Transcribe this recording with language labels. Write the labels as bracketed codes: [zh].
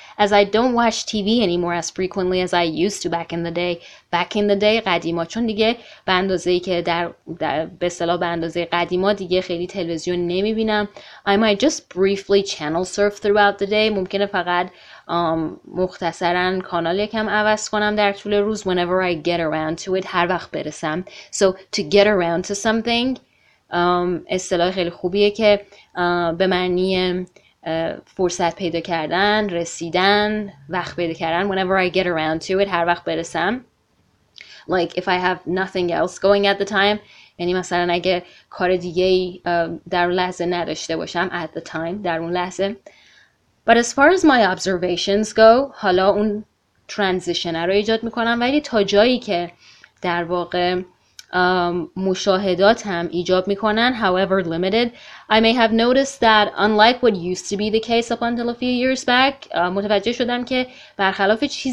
[en] As I don't watch TV anymore as frequently as I used to back in the day. Back in the day. [fa] قدیما. چون دیگه به اندازه‌ای که در به اصطلاح به اندازه قدیما دیگه خیلی تلویزیون نمیبینم. [en] I might just briefly channel surf throughout the day. [fa] ممکنه فقط مختصراً کانال یکم عوض کنم در طول روز. [en] Whenever I get around to it. [fa] هر وقت برسم. [en] So to get around to something. [fa] اصطلاح خیلی خوبیه که به معنی فرصت پیدا کردن، رسیدن، وقت پیدا کردن. [en] Whenever I get around to it. [fa] هر وقت برسم. [en] Like if I have nothing else going at the time. [fa] یعنی مثلا اگه کار دیگه در اون لحظه نداشته باشم. [en] At the time. [fa] در اون لحظه. [en] But as far as my observations go, [fa] حالا اون ترانزیشن رو ایجاد میکنم، ولی تا جایی که در واقع مشاهداتم ایجاد میکنن، [en] however limited, I may have noticed that unlike what used to be the case up until a few years back, [fa] متوجه شدم که برخلاف